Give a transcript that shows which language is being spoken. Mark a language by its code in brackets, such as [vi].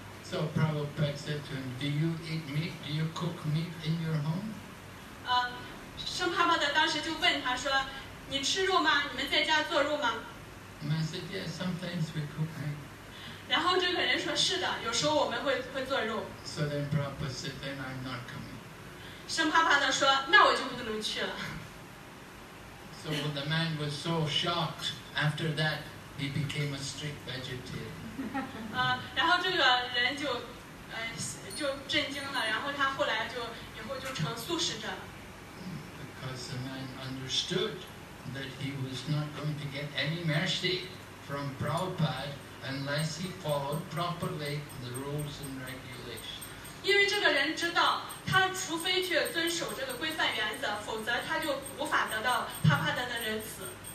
[en] So Prabhupada said to him, "Do you eat meat? Do you cook meat in your home?" [zh] 圣帕帕德当时就问他说，你吃肉吗？你们在家做肉吗？ [en] Man said, "Yes, sometimes we cook meat." [zh] 然后这个人说，是的，有时候我们会做肉。 [en] So then Prabhupada said, "Then I'm not coming." [zh] 圣帕帕德说，那我就不能去了。 [en] So the man was so shocked after that. He became a strict vegetarian. [zh] 然后这个人就，就震惊了。然后他后来就以后就成素食者了。 [en] Because the man understood that he was not going to get any mercy from Prabhupada unless he followed properly the rules and regulations. [zh] 因为这个人知道，他除非去遵守这个规范原则，否则他就无法得到帕帕德的仁慈。